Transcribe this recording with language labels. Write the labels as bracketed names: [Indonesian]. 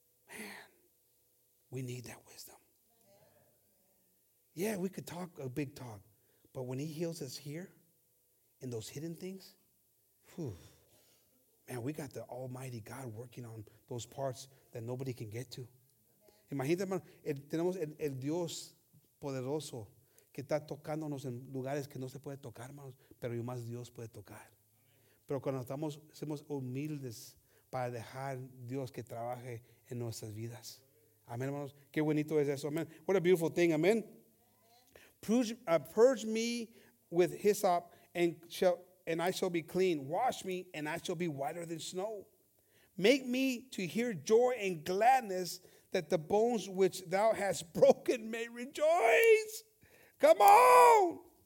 [English] Man, we need that wisdom. Yeah, we could talk a big talk, But when he heals us here, in those hidden things, whew, man, we got the Almighty God working on those parts that nobody can get to. [Spanish] Imagínate, hermano, tenemos el Dios poderoso que está tocándonos en lugares que no se puede tocar, hermanos, pero más Dios puede tocar. Pero cuando estamos, somos humildes para dejar Dios que trabaje en nuestras vidas. Amén, hermanos. Qué bonito es eso. Amén. [English] What a beautiful thing. [Spanish] Amén. [English] Purge me with hyssop and I shall be clean. Wash me and I shall be whiter than snow. Make me to hear joy and gladness that the bones which thou hast broken may rejoice. Come on.